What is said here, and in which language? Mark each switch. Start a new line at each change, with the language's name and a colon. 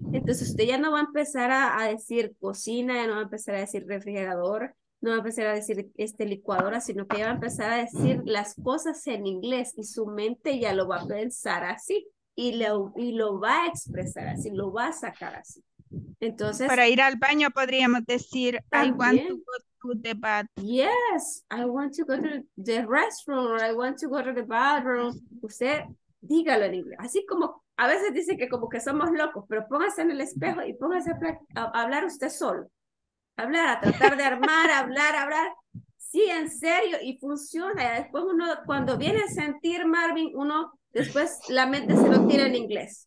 Spanish: Entonces usted ya no va a empezar a decir cocina, ya no va a empezar a decir refrigerador, no va a empezar a decir este licuadora, sino que ella va a empezar a decir las cosas en inglés y su mente ya lo va a pensar así y lo va a expresar así, lo va a sacar así. Entonces, para ir al baño podríamos decir también,
English: I want to go to the bathroom. Yes, I want to go to the restroom or I want to go to the bathroom.
Spanish: Usted dígalo en inglés. Así como a veces dice que como que somos locos, pero póngase en el espejo y póngase a hablar usted solo. Hablar, a tratar de armar, hablar. Sí, en serio, y funciona. Después uno, cuando viene a sentir Marvin, uno después la mente se lo tira en inglés.